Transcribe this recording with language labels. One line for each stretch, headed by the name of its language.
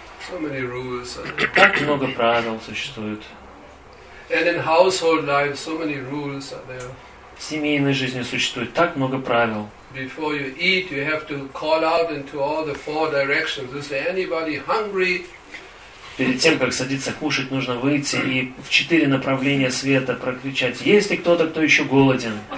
English: So many rules.
Russian: Так много правил существует.
English: And in household life, so many rules are there.
Russian: В семейной жизни существует так много правил.
English: Before you eat, you have to call out into all the four directions. Is there anybody hungry?
Russian: Перед тем, как садиться кушать, нужно выйти и в 4 направления света прокричать: «Есть ли кто-то, кто еще голоден?»